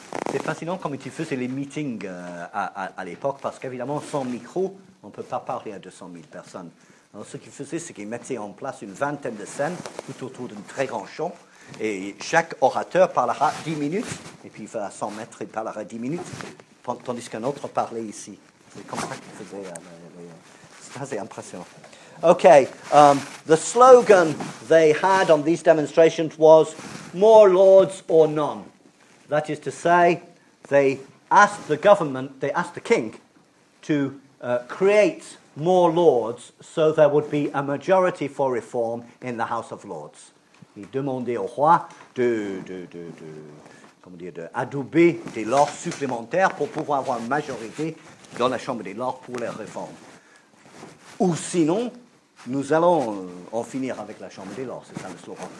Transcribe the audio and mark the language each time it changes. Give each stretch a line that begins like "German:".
French: C'est fascinant comment ils faisaient les meetings à l'époque, parce qu'évidemment, sans micro, on ne peut pas parler à 200 000 personnes. Alors, ce qu'ils faisaient, c'est qu'ils mettaient en place une vingtaine de scènes tout autour d'un très grand champ, et chaque orateur parlera 10 minutes, et puis il va à 100 mètres, il parlera 10 minutes, tandis qu'un autre parlait ici. C'est comme ça qu'ils faisaient. C'est assez impressionnant.
English: Okay, the slogan they had on these demonstrations was "More lords or none." That is to say, they asked the government, they asked the king, to create more lords so there would be a majority for reform in the House of Lords.
French: Ils demandaient au roi d'adouber des lords supplémentaires pour pouvoir avoir une majorité dans la Chambre des Lords pour les réformes. Ou sinon, nous allons en finir avec la Chambre des Lords, c'est ça le slogan.